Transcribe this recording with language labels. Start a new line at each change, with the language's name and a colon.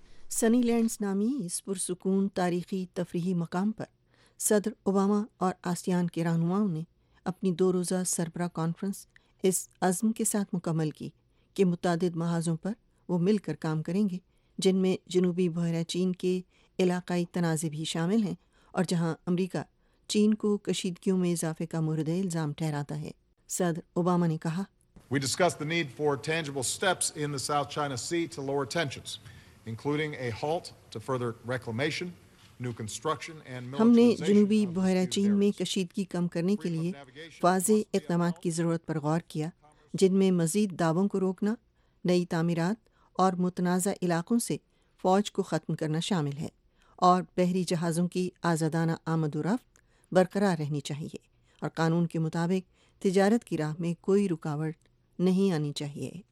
Urdu: سنی lands نامی اس پرسکون تاریخی تفریحی مقام پر صدر اوباما اور آسیان کے رہنماؤں نے اپنی 2 روزہ سربراہ کانفرنس اس عزم کے ساتھ مکمل کی کہ متعدد محاذوں پر وہ مل کر کام کریں گے جن میں جنوبی بحیرہ چین کے علاقائی تنازع بھی شامل ہیں اور جہاں امریکہ چین کو کشیدگیوں میں اضافے کا مورد الزام ٹھہراتا ہے. صدر اوباما نے کہا
English: We discussed the need for tangible steps in the South China Sea to lower tensions, including a halt to further reclamation, new construction and
Urdu: ہم نے جنوبی بحیرہ چین میں کشیدگی کم کرنے کے لیے واضح اقدامات کی ضرورت پر غور کیا جن میں مزید دعووں کو روکنا، نئی تعمیرات اور متنازع علاقوں سے فوج کو ختم کرنا شامل ہے، اور بحری جہازوں کی آزادانہ آمد و رفت برقرار رہنی چاہیے اور قانون کے مطابق تجارت کی راہ میں کوئی رکاوٹ نہیں آنی چاہیے.